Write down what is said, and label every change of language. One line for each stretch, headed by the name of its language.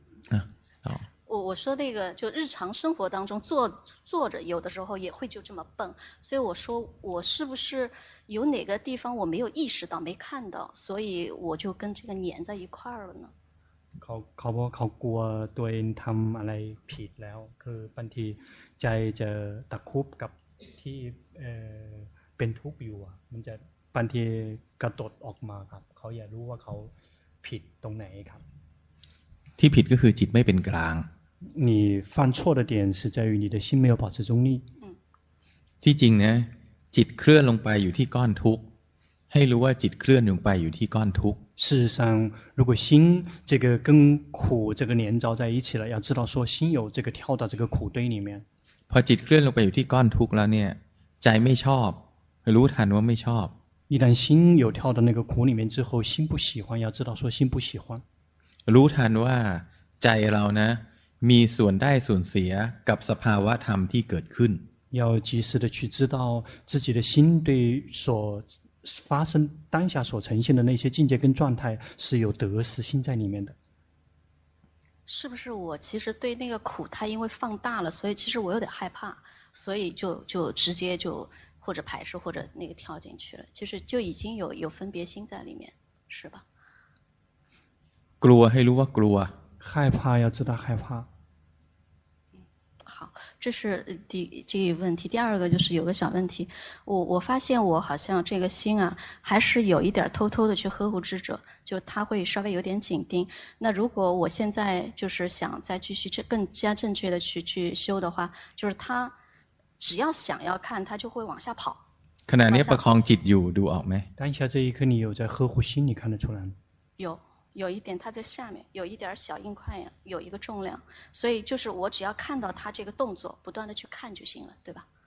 Chinese: 啊，好。我说那个就日常生活当中坐着有的时候也会就这么蹦，所以我说我是不是有哪个地方我没有意识到没看到，所以我就跟这个粘在一块儿了呢？
Thai: เขาบอกเขากลัวตัวเองทำอะไรผิดแล้วคือบางทีใจจะตะคุบกับที่เป็นทุกข์อยู่อ่ะมันจะบางทีกระตดออกมาครับเขาอยากรู้ว่าเขาผิดตรงไหนครับ ที่ผิดก็คือจิตไม่เป็นกลาง
Chinese: 你犯错的点是在于你的心没有保持中立
Thai: ที่จริงนะจิตเคลื่อนลงไปอยู่ที่ก้อนทุกข์ให้รู้ว่าจิตเคลื่อนลงไปอยู่ที่ก้อนทุกข์
Chinese: 事实上如果心这个跟苦这个连着在一起了要知道说心有这个跳到这个苦堆里面
Thai: พอจิตเคลื่อนลงไปอยู่ที่ก้อนทุกข์แล้วเนี่ยใจไม่ชอบรู้ทันว่าไม่ชอบ
Chinese: 一旦心有跳到那个苦里面之后心不喜欢要知道说心不喜欢
Thai: รู้ทันว่าใจเรานะมีส่วนได้ส่วนเสียกับสภาวะธรรมที่เกิดขึ้น
Chinese: 要及时的去知道自己的心对所发生当下所呈现的那些境界跟状态是有得失心在里面的是不是我其实对那个苦它因为放大了所以其实我有点害怕所以就直接就或者排斥或者那个跳进去了其实就已经有分别心在里面是吧
Thai: กลัวให้รู้ว่ากลัว
Chinese: 害怕要知道害怕好这是第这个问题第二个就是有个小问题我发现我好像这个心啊还是有一点偷偷的去呵护智者就他会稍微有点紧盯那如果我现在就是想再继续更加正确的去修的话就是他只要想要看他就会往下跑
Thai: ขณะนี้ประคองจิตอยู่ดูออกไหม
Chinese: 当下这一刻你有在呵护心你看得出来有有一点它在下面，有一点小硬块呀，有一个重量，所以就是我只要看到它这个动作，不断的去看就行了，对吧？